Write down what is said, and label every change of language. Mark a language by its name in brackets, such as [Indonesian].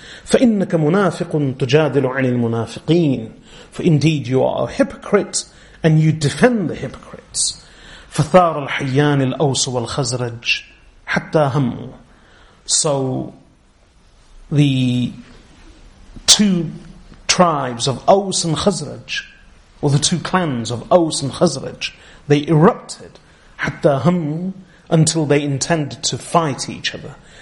[Arabic] فإنك منافق تجادل عن المنافقين. [English] For indeed you are a hypocrite and you defend the hypocrites. [Arabic] فثار الحيان الأوس والخزرج حتى هم. [English] So the two tribes of Aws and Khazraj, or the two clans of Aws and Khazraj, they erupted, [Arabic] حَتَّى هَمُّوا, [English] until they intended to fight each other.